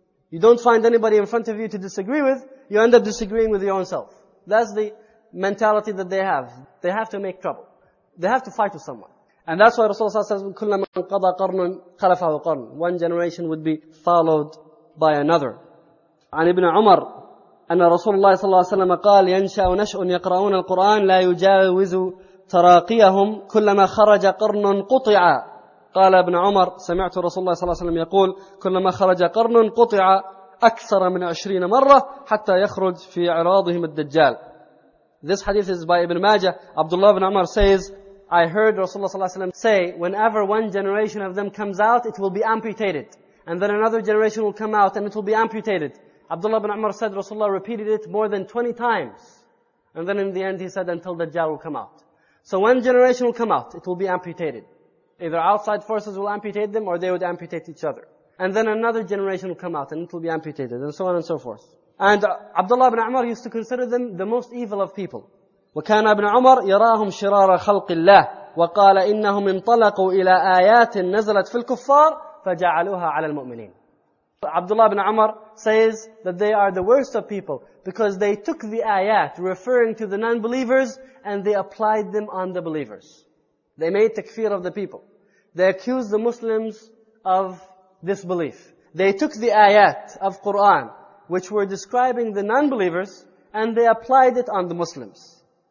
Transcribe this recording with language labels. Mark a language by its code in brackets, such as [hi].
[en] You don't find anybody in front of you to disagree with. You end up disagreeing with your own self. That's the mentality that they have. They have to make trouble. They have to fight with someone. And that's why Rasulullah says, [ar] كُلَّمَا قَضَى قَرْنٌ خَلَفَهُ قَرْنٌ. [en] One generation would be followed by another. [ar] عن ابن عمر أن رسول الله صلى الله عليه وسلم قال ينشأ نشأ يقرؤون القرآن لا يجاوز تراقيهم كلما خرج قرن قطع. قال ابن عمر سمعت رسول الله صلى الله عليه وسلم يقول كلما خرج قرن قطع أكثر من 20 مرة حتى يخرج في عراضهم الدجال. [en] This hadith is by Ibn Majah. Abdullah ibn Umar says, I heard Rasulullah sallallahu alaihi wasallam say, whenever one generation of them comes out, it will be amputated. And then another generation will come out and it will be amputated. Abdullah ibn Umar said, Rasulullah repeated it more than 20 times. And then in the end he said, until Dajjal will come out. So one generation will come out, it will be amputated. Either outside forces will amputate them or they would amputate each other. And then another generation will come out and it will be amputated and so on and so forth. And Abdullah ibn Umar used to consider them the most evil of people. [ar] وكان ابن عمر يراهم شرار خلق الله وقال إنهم انطلقوا إلى آيات نزلت في الكفار فجعلوها على المؤمنين. [en] Abdullah ibn Umar says that they are the worst of people because they took the ayat referring to the non-believers and they applied them on the believers. They made takfir of the people. They accused the Muslims of disbelief. They took the ayat of Quran which were describing the non-believers and they applied it on the Muslims.